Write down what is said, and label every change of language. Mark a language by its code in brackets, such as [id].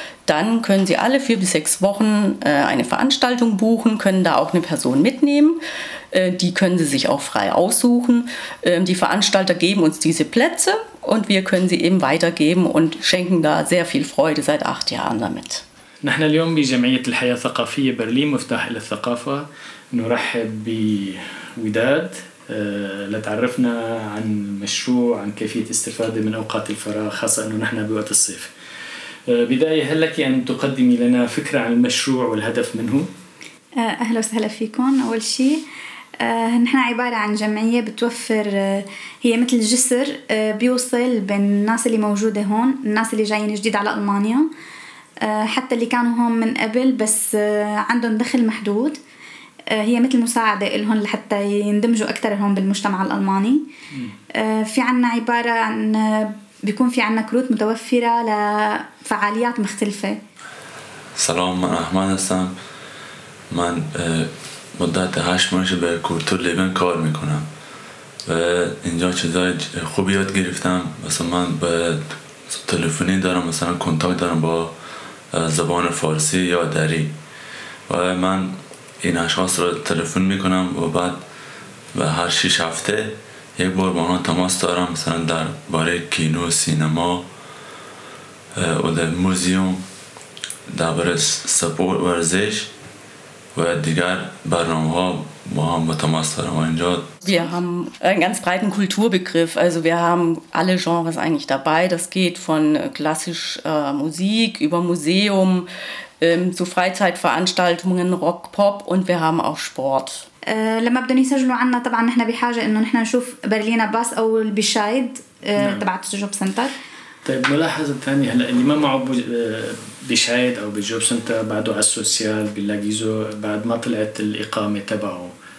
[de] Dann können sie alle 4 bis 6 Wochen eine Veranstaltung buchen, können da auch eine Person mitnehmen. Die können sie sich auch frei aussuchen. Die Veranstalter geben uns diese Plätze und wir können sie eben weitergeben und schenken da sehr viel Freude seit 8 Jahren damit. [ar] نحن اليوم بجمعية الحياة الثقافية برلين مفتاح إلى الثقافة نرحب بوداد لتعرفنا عن المشروع عن كيفية استفادة من أوقات الفراغ خاصة إنه نحن بوقت الصيف. بداية هل لك أن تقدمي لنا فكرة عن المشروع والهدف منه؟ أهلا وسهلا فيكم. أول شيء نحن عبارة عن جمعية بتوفر هي مثل جسر بيوصل بين الناس اللي موجودة هون الناس اللي جايين جديد على ألمانيا حتى اللي كانوا هون من قبل بس عندهم دخل محدود هي مثل مساعدة لهم لحتى يندمجوا أكثر هون بالمجتمع الألماني. في عنا عبارة عن بيكون في عنا كروت متوفرة لفعاليات مختلفة. [fa] سلام من أحمد هستم. من مدت 8 ماهه به کلتور لیبن کار میکنم و اینجا چیزای خوب یاد گرفتم. مثلا من به تلفنی دارم، مثلا کنتاکت دارم با زبان فارسی یا دری و من این اشخاص رو تلفن میکنم و بعد به هر 6 هفته یک بار با آنها تماس دارم، مثلا در باره کینو، سینما و در موزیوم دربارش سپورت ورزش و دیگر برنامه‌ها با هم تماس دارم اینجا. [de] Wir haben einen ganz breiten Kulturbegriff. Also wir haben alle Genres eigentlich dabei. Das geht von klassisch Musik über Museum zu Freizeitveranstaltungen, Rock, Pop und wir haben auch Sport. [ar] لما بدنا يسجلوا عنا طبعا نحن بحاجة إنه نحن نشوف برلين باس أو البشايد تبع التجوب سنتر. طيب ملاحظة ثانية هلا اللي ما معه بشايد أو بجوب سنتر بعده على السوشيال بيلاقيزه بعد ما طلعت الإقامة تبعه.